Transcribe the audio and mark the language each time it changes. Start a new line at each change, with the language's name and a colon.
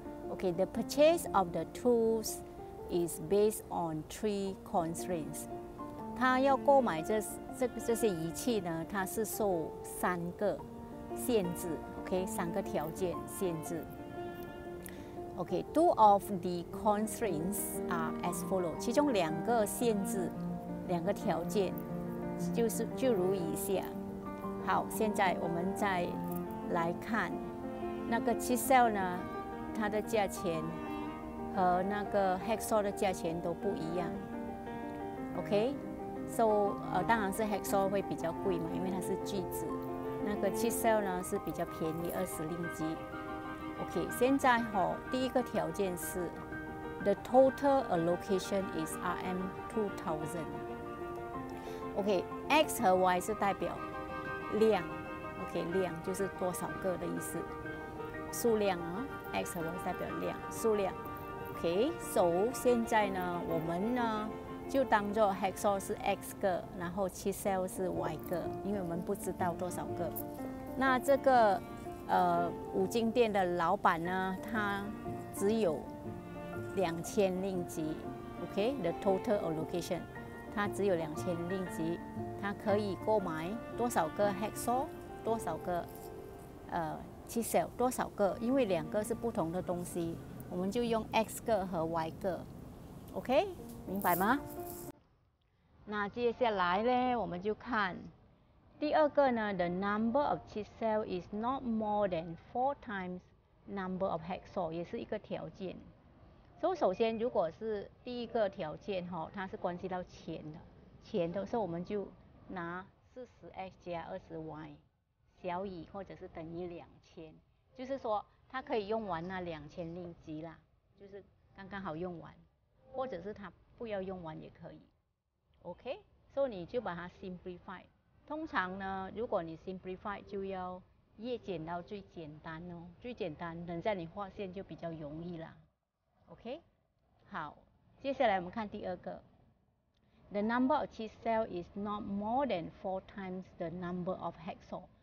English: OK， the purchase of the tools is based on 3 constraints。
Chinese: 他要购买 这些仪器呢，他是受三个限制，Okay, 三个条件限制。
English: Okay, two of the constraints are as follow，
Chinese: 其中两个限制两个条件就如以下。好，现在我们再来看那个 chisel 呢，它的价钱和那个 hacksaw 的价钱都不一样。 Okay, so 当然是 hacksaw 会比较贵嘛，因为它是锯子，那个 chisel 呢是比较便宜，20令吉。
English: OK，
Chinese: 现在第一个条件是
English: The total allocation is RM2000。
Chinese: OK， X 和 Y 是代表量， OK， 量就是多少个的意思，数量啊， X 和 Y 代表量，数量。 OK， so 现在呢我们呢就当作 hacksaw 是 X 个，然后 chisel 是 Y 个，因为我们不知道多少个。那这个五金店的老板呢，他只有2000令吉， OK，
English: the total allocation，
Chinese: 他只有2000令吉，他可以购买多少个 hacksaw， 多少个chisel， 多少个，因为两个是不同的东西，我们就用 X 个和 Y 个， OK， 明白吗？那接下来呢，我们就看第二个呢。
English: The number of chisel is not more than 4 times number of hacksaw，
Chinese: 也是一个条件。所以首先如果是第一个条件，它是关系到钱的，钱的时候我们就拿 40x 加 20y 小于或者是等于2000，就是说它可以用完那2000令吉啦，就是刚刚好用完，或者是它不要用完也可以。 OK， so 你就把它 simplify。通常呢如果你 simplify 就要越简到最简单哦，最简单等下你划线就比较容易啦。 OK， 好，接下来我们看第二个。
English: The number of chisel is not more than 4 times the number of hacksaw。